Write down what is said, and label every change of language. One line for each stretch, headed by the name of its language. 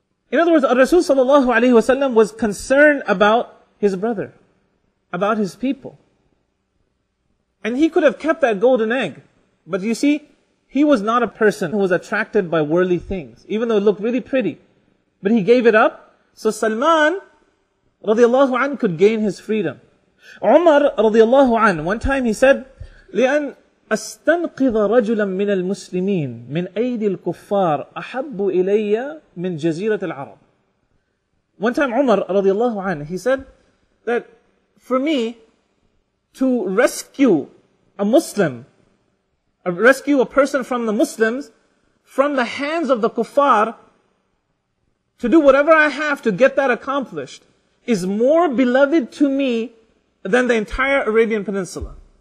English: In other words, Rasul sallallahu alayhi wa sallam was concerned about his brother, about his people. And he could have kept that golden egg, but you see, he was not a person who was attracted by worldly things, even though it looked really pretty. But he gave it up, so Salman radiallahu anhu could gain his freedom.
Arabic: Umar radiallahu anhu,
English: one time he said,
Arabic: لِأَنْ أَسْتَنْقِذَ رَجُلًا مِنَ الْمُسْلِمِينَ مِنْ أَيْدِ الْكُفَّارِ أَحَبُّ إِلَيَّ مِنْ جَزِيرَةِ الْعَرَبِ.
English: One time Umar radiallahu anhu, he said that for me, to rescue a Muslim, rescue a person from the Muslims, from the hands of the kuffar, to do whatever I have to get that accomplished, is more beloved to me than the entire Arabian Peninsula.